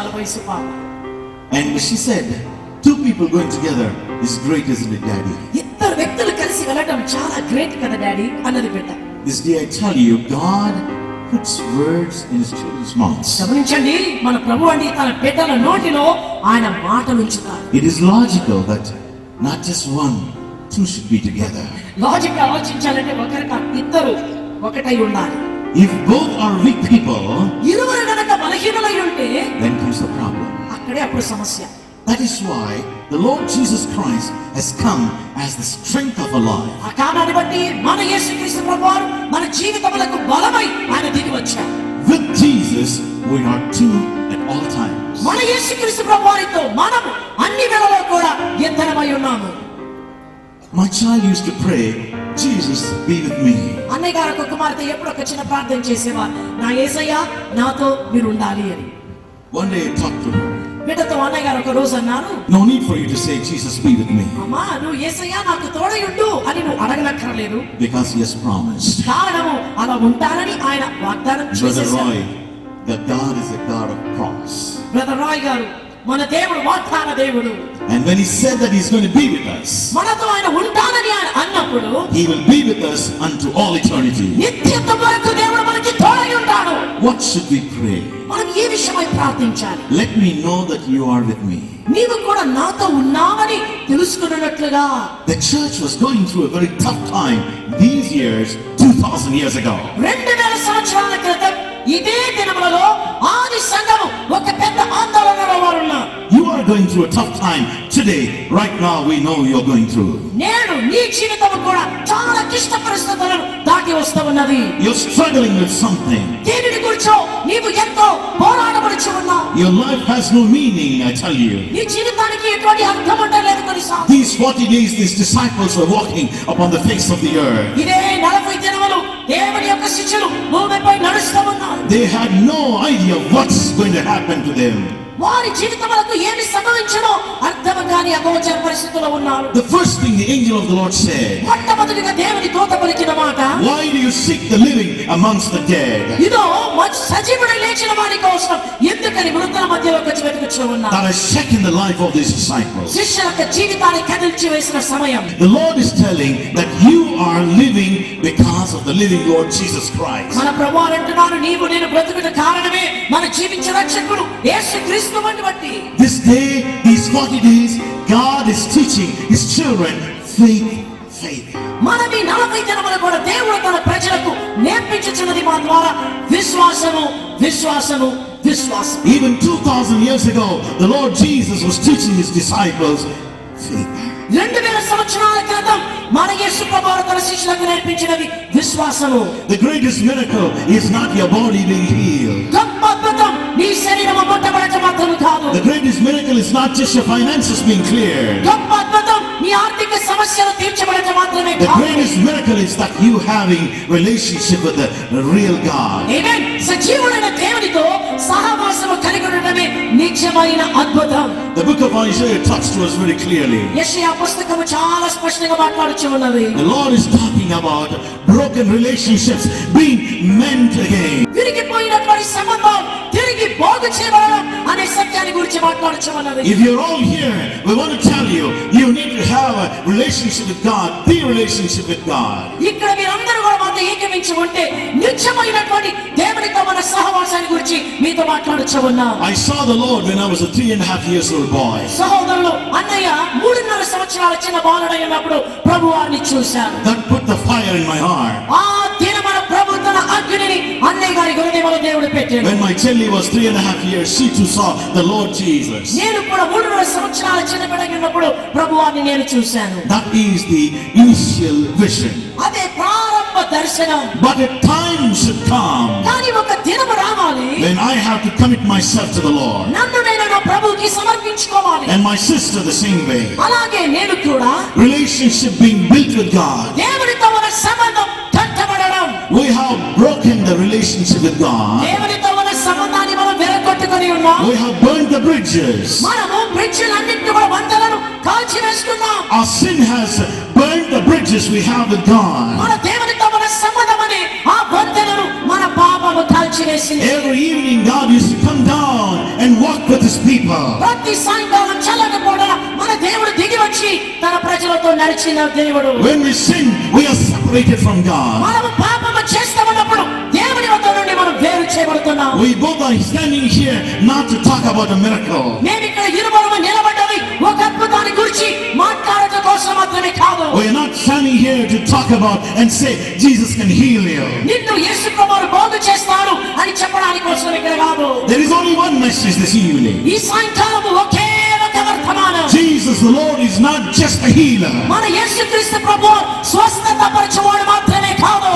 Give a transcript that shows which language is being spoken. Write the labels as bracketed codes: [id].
[en] And she said, two people going together is great, isn't it, daddy? [te] ఇద్దరు వ్యక్తులు కలిసి వెళ్ళటం చాలా గ్రేట్ కదా డాడీ అన్నది బిడ్డ. [en] This day I tell you, God puts words in his children's mouths. [te] గమనించండి మన ప్రభు అంటే తన బిడ్డల నోటిలో ఆయన మాటలు ఉంచుతారు. [en] It is logical that not just one, two should be together. [te] Logic ఆలోచించాలంటే ఒకరిక ఇద్దరు ఒకటై ఉండాలి. [en] If both are weak people, [te] ఇరువురు గనక బలహీనులై ఉంటే [en] then comes the problem. [te] అక్కడే అప్పుడు సమస్య. [en] That is why the Lord Jesus Christ has come as the strength of our life. [te] ఆ కారణాన్ని బట్టి మన యేసుక్రీస్తు ప్రభువారు మన జీవితములకు బలమై ఆయన దిగి వచ్చారు. [en] With Jesus we are two at all times. [te] మన యేసుక్రీస్తు ప్రభువారితో మనము అన్ని వేళలో కూడా ఇద్దరమై ఉన్నాము. [en] My child used to pray, Jesus be with me. [te] అన్నయ్య గారు ఒక కుమార్తె ఎప్పుడు ఒక చిన్న ప్రార్థన చేసేవారు నా యేసయ్య నాతో మీరు ఉండాలి అని. [en] One day I talked to her. [te] బిడ్డతో అన్నయ్య గారు ఒక రోజు అన్నారు. [en] No need for you to say Jesus be with me. [te] అమ్మా నువ్వు యేసయ్య నాకు తోడై ఉండు అని నువ్వు అడగనక్కర్లేదు. [en] Because he has promised. [te] కారణము అలా ఉంటారని ఆయన వాగ్దానం చేశారు. [en] Brother Roy, the God is a God of promise. [te] Brother Roy గారు మన దేవుడు వాగ్దాన దేవుడు. [en] And when he said that he's going to be with us, [te] మనతో ఆయన ఉంటానని అన్నప్పుడు, [en] he will be with us unto all eternity. [te] నిత్యత వరకు దేవుడు మనకి తోడై ఉంటాడు. [en] What should we pray? [te] మనం ఏ విషయమై ప్రార్థించాలి? [en] Let me know that you are with me. [te] నీవు కూడా నాతో ఉన్నావని తెలుసుకున్నట్లుగా. [en] The church was going through a very tough time these years 2000 years ago. [te] 2000 సంవత్సరాల క్రితం ఇదే దినములలో ఆది సంఘము ఒక పెద్ద ఆందోళనలో వారున్నా. [en] You are going through a tough time today, right now we know you are going through. [te] నేను నీ జీవితము కూడా చాలా కష్ట పరిస్థితులను దాటి వస్తున్నది. [en] You are struggling with something. [te] దేనిని గురించో నీవు ఎంతో పోరాడబడుచు ఉన్నావు. [en] Your life has no meaning, I tell you. [te] నీ జీవితానికి ఎటువంటి అర్థం ఉండలేదు కొరిసా. [en] These 40 days these disciples were walking upon the face of the earth. [te] ఇదే 40 దినములు దేవుని యొక్క శిష్యులు భూమిపై నడుస్తున్నారు. [en] They had no idea what's going to happen to them. [te] వారి జీవితములకు ఏమి సంభవించను అర్థం కాని అగోచర పరిస్థితుల్లో ఉన్నారు. [en] The first thing the angel of the Lord said, [te] మొట్టమొదటిగా దేవుని దూత పలికిన మాట, [en] Why do you seek the living amongst the dead? [te] ఇదో సజీవుడు లేచిన వారి కోసం ఎందుకని మృతుల మధ్యలోకి వచ్చి వెతుకుచు ఉన్నారు. [en] That has shaken the life of these disciples. [te] శిష్యులకు జీవితాన్ని కదిల్చి వేసిన సమయం. [en] The Lord is telling that you are living because of the living Lord Jesus Christ. [te] మన ప్రభువు అంటున్నాడు నీవు నేను బ్రతుకుట కారణమే మన జీవించిన రక్షకుడు యేసుక్రీస్తు. [en] This day, these 40 days, God is teaching his children faith, faith. [te] మనమే 40 దినములు కూడా దేవుడు తన ప్రజలకు నేర్పించుచున్నది మా ద్వారా విశ్వాసము విశ్వాసము విశ్వాసము. [en] Even 2000 years ago, the Lord Jesus was teaching his disciples faith. [te] 2000 సంవత్సరాల క్రితం మన యేసు ప్రభువు తన శిష్యులకు నేర్పించినది విశ్వాసము. [en] The greatest miracle is not your body being healed. [te] గొప్ప అద్భుతం నీ శరీరము మొట్టమొదటి మాత్రం కాదు. [en] The greatest miracle is not just your finances being cleared. [te] గొప్ప అద్భుతం నీ ఆర్థిక సమస్యలు తీర్చబడటం మాత్రమే కాదు. [en] The greatest miracle is that you having relationship with the real God. Amen. [te] సజీవుడైన దేవునితో సహవాసము కలిగి ఉండటమే నిజమైన అద్భుతం. [en] The book of Isaiah talks to us very clearly. [te] యెషయా పుస్తకము చాలా స్పష్టంగా మాట్లాడుచున్నది. [en] The Lord is talking about broken relationships being mended again. [te] విరిగిపోయినటువంటి సంబంధం తిరిగి బాగు చేయబడడం అనే సత్యాన్ని గురించి మాట్లాడుచున్నది. [en] If you're all here, we want to tell you, you need to have a relationship with God, the relationship with God. [te] ఇక్కడ మీరందరూ కూడా మాతో ఏకమించి ఉంటే నిజమైనటువంటి దేవునితో మన సహవాసాన్ని గురించి మీతో మాట్లాడుచున్నాను. [en] I saw the Lord when I was a 3.5 years old. [te] సహోదరులు అన్నయ్య 3.5 సంవత్సరాల చిన్న బాలుడై ఉన్నప్పుడు ప్రభు వారిని చూశాను. [en] That put the fire in my heart. [te] ఆ దిన మన ప్రభు తన అగ్నిని అన్నయ్య గారి హృదయంలో దేవుడు పెట్టాడు. [en] When my chelli was 3.5 years, she too saw the Lord Jesus. [te] నేను కూడా 3.5 సంవత్సరాల చిన్న బిడ్డగా ఉన్నప్పుడు ప్రభు వారిని నేను చూశాను. [en] That is the initial vision. [te] అదే ప్రారంభ దర్శనం. [en] But a time should come. [te] కానీ ఒక దినము రావాలి. [en] When I have to commit myself to the Lord. [te] నన్ను నేను నా ప్రభుకి సమర్పించుకోవాలి. [en] And my sister the same way. [te] అలాగే నేను కూడా. [en] Relationship being built with God. [te] దేవునితో మన సంబంధం కట్టబడడం. [en] We have broken the relationship with God. [te] దేవునితో మన సంబంధాన్ని మనం విరగొట్టుకొని ఉన్నాం. [en] We have burned the bridges. [te] మనము బ్రిడ్జిలన్నిటిని కూడా బంధాలను కాల్చి వేసుకున్నాం. [en] Our sin has burned the bridges we have with God. [te] మన దేవునితో మన సంబంధమని ఆ బంధాలను మన పాపము కాల్చి వేసింది. [en] Every evening God used to come down and walk with his people. [te] ప్రతి సాయంకాలం చల్లని పూట మన దేవుడు దిగి వచ్చి తన ప్రజలతో నడిచిన దేవుడు. [en] When we sin, we are separated from God. [te] మనము పాపము చేస్తున్నప్పుడు దేవుని వద్ద నుండి మనం వేరు చేయబడుతున్నాం. [en] We both are standing here not to talk about a miracle. [te] నేను ఇక్కడ ఇరువురు నిలబడ్డది ఒక అద్భుతాన్ని గురించి మాట్లాడటం కోసం మాత్రమే కాదు. [en] We are not standing here to talk about and say Jesus can heal you. [te] నిన్ను యేసు ప్రభువు బాగు చేస్తాడు అని చెప్పడానికి కోసం ఇక్కడ కాదు. [en] There is only one message this evening. [te] ఈ సాయంకాలం ఒకే ఒక వర్తమానం. [en] Jesus the Lord is not just a healer. [te] మన యేసు క్రీస్తు ప్రభువు స్వస్థత పరచువాడు మాత్రమే కాదు.